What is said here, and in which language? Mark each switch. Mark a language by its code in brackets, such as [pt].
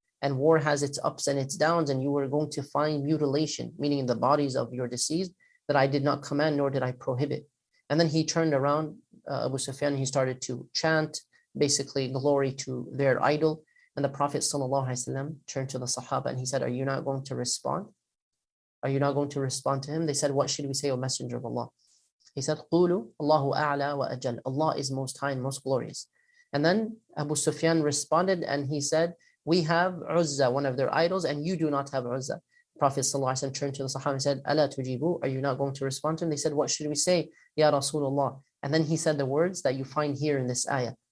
[en] And war has its ups and its downs, and you are going to find mutilation, meaning the bodies of your deceased, that I did not command, nor did I prohibit. And then he turned around, Abu Sufyan, and he started to chant, basically glory to their idol. And the Prophet ﷺ turned to the Sahaba and he said, are you not going to respond? Are you not going to respond to him? They said, what should we say, O Messenger of Allah? He said, [ar] قُولُ اللَّهُ أَعْلَى وَأَجَلُ. [en] Allah is most high and most glorious. And then Abu Sufyan responded and he said, we have Uzza, one of their idols, and you do not have Uzza. Prophet ﷺ turned to the Sahaba and said, [ar] أَلَا تُجِيبُ. [en] Are you not going to respond to him? They said, what should we say, Ya Rasulullah? And then he said the words that you find here in this ayah.